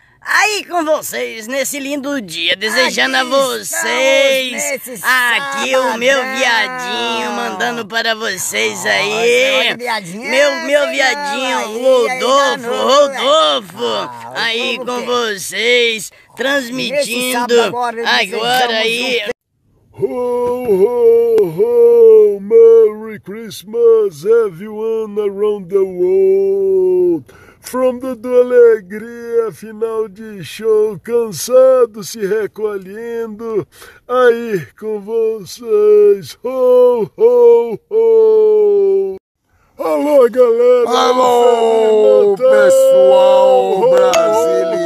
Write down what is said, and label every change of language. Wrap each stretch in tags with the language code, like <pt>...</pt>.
<pt>Aí com vocês, nesse lindo dia, desejando aqui a vocês, aqui sabadão. O meu viadinho, mandando para vocês aí, meu viadinho, Rodolfo, aí com vocês, transmitindo agora aí.</pt> <en>Ho, ho, ho, Merry Christmas everyone around the world. From the</en> <pt>do Alegria, final de show, cansado, se recolhendo, aí com vocês, ho, ho, ho. Alô, galera! Alô, pessoal brasiliense!</pt>